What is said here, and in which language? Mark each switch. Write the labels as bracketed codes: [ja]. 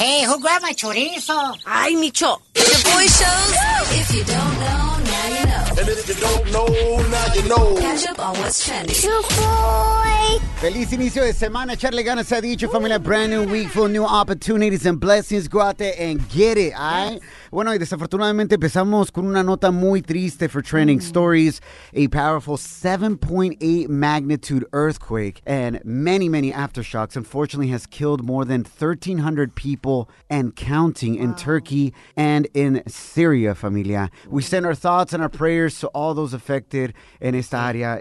[en] Hey, who grabbed my chorizo? Ay, Micho. The Boy Show. If you don't know, and if you don't know, now you know. Catch up on what's trending. Boy. Feliz inicio de semana. Echarle ganas ha dicho, familia. Brand new week full new opportunities and blessings. Go out there and get it, alright? [es] Bueno, y desafortunadamente empezamos con una nota muy triste [en] for trending stories. A powerful 7.8 magnitude earthquake and many, many aftershocks unfortunately has killed more than 1,300 people and counting in Turkey and in Syria, familia. We send our thoughts and our prayers to all those affected in [es] esta área.